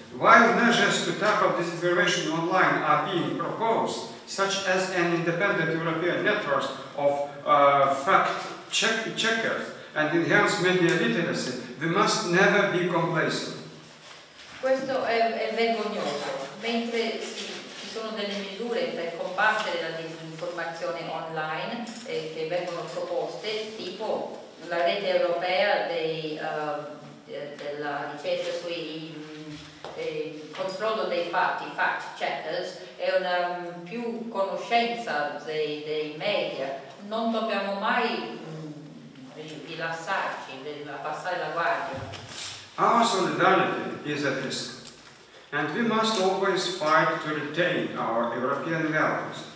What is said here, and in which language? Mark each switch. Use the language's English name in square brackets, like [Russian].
[English] While measures to tackle disinformation online are being proposed, such as an independent European network of fact checkers and enhanced media literacy, we must never be complacent. [Italian] Questo è vergognoso. Mentre ci sono delle misure per combattere la disinformazione online che vengono proposte, tipo la rete europea della ricerca sui controllo dei fatti, fact checkers, e una più conoscenza dei media, non dobbiamo mai rilassarci, abbassare la guardia. [English] Our solidarity is at risk, and we must always fight to retain our European values.